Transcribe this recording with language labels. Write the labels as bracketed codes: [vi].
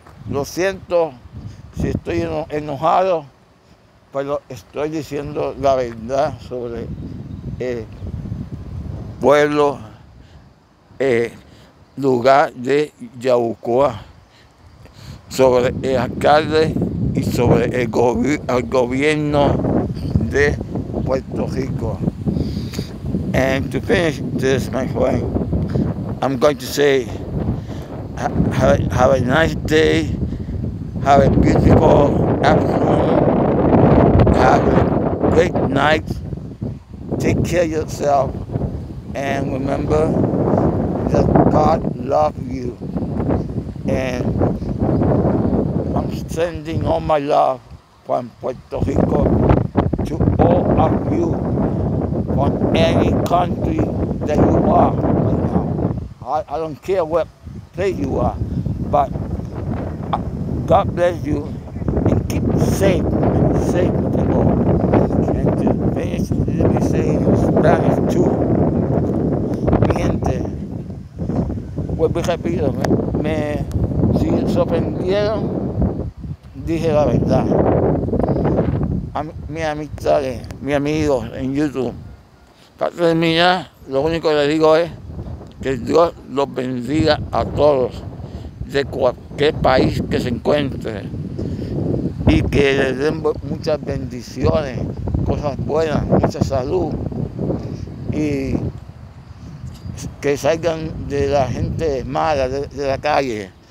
[es] Lo siento si estoy enojado, pero estoy diciendo la verdad sobre el pueblo, lugar de Yabucoa, sobre el alcalde y sobre el gobierno de Puerto Rico. [en] And to finish this, my friend, I'm going to say, have a nice day, have a beautiful afternoon, have a great night, take care of yourself, and remember that God loves you. And I'm sending all my love from Puerto Rico to all of you. On any country that you are right now. I don't care what place you are, but God bless you and keep safe and safe people. And to finish, let me say in Spanish too. [es] Mi gente, vuelvo y repito, me si sorprendieron, dije la verdad. Mi amistades, mi amigos en YouTube, para terminar, lo único que les digo es que Dios los bendiga a todos de cualquier país que se encuentre y que les den muchas bendiciones, cosas buenas, mucha salud y que salgan de la gente mala de la calle.